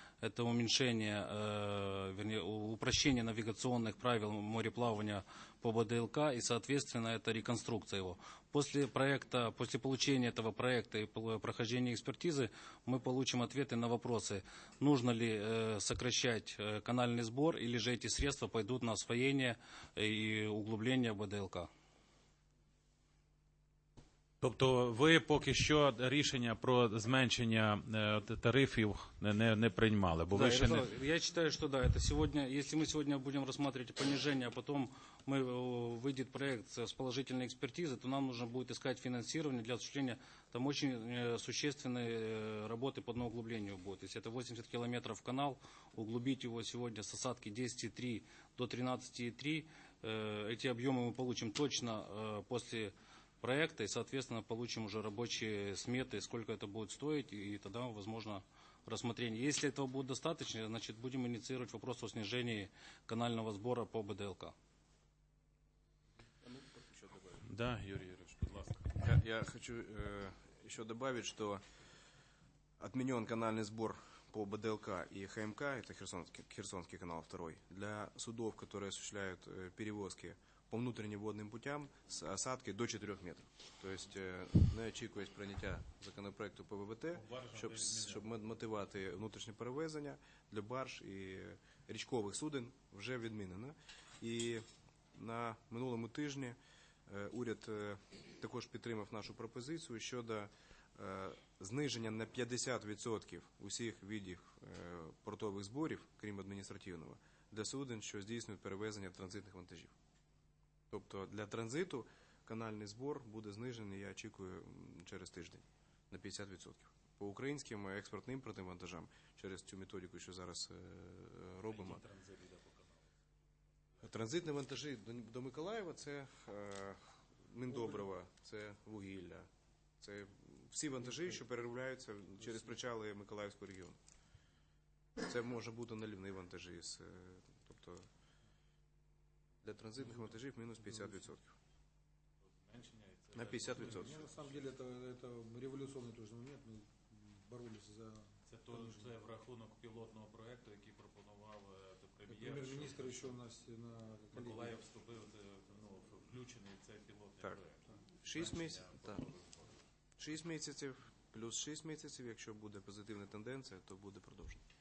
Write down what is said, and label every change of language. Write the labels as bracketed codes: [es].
[ru] Это уменьшение, упрощение навигационных правил мореплавания по БДЛК и, соответственно, это реконструкция его. После проекта, после получения этого проекта и прохождения экспертизы, мы получим ответы на вопросы, нужно ли сокращать канальный сбор или же эти средства пойдут на освоение и углубление БДЛК. [uk] Тобто ви поки що рішення про зменшення тарифів не приймали? Бо да, ви ще не... Я вважаю, що так. Да, якщо ми сьогодні будемо розглядати поніження, а потім вийде проєкт з положительної експертизи, то нам потрібно буде шукати фінансування для осуществлення там дуже суттєвої роботи по дноуглубленню буде. Тобто це 80 кілометрів канал, углубити його сьогодні з осадки 10,3 до 13,3. Ці об'єми ми отримаємо точно після... [ru] проекта, и, соответственно, получим уже рабочие сметы, сколько это будет стоить, и тогда, возможно, рассмотрение. Если этого будет достаточно, значит, будем инициировать вопрос о снижении канального сбора по БДЛК. Да, Юрий Юрьевич, пожалуйста. Я хочу еще добавить, что отменен канальный сбор по БДЛК и ХМК, это Херсонский канал второй, для судов, которые осуществляют перевозки по внутренним водным путям с осадкой до 4 метров. [uk] То есть не очікується прийняття законопроекту по ВВТ, щоб мотивувати внутрішнє перевезення для барж і річкових суден вже відмінено. І на минулому тижні уряд також підтримав нашу пропозицію щодо зниження на 50% усіх видів портових зборів, крім адміністративного, для суден, що здійснюють перевезення транзитних вантажів. Тобто для транзиту канальний збір буде знижений, я очікую, через тиждень на 50%. По українським експортним імпортним вантажам через цю методику, що зараз робимо. Транзитні вантажі до Миколаєва – це Міндоброва, це вугілля, це всі вантажі, що переробляються через причали Миколаївського регіону. Це може бути наливні вантажі, тобто для транзитних вантажів мінус 50%. На 50%. [ru] На самом деле, это революционный тоже момент, мы боролись за... [uk] Це той, що це в рахунок пілотного проєкту, який пропонував прем'єр-міністр, що у нас на Миколаїв вступив, ну, включений цей пілотний так. Проєкт. 6 місяців, плюс 6 місяців, якщо буде позитивна тенденція, то буде продовжено.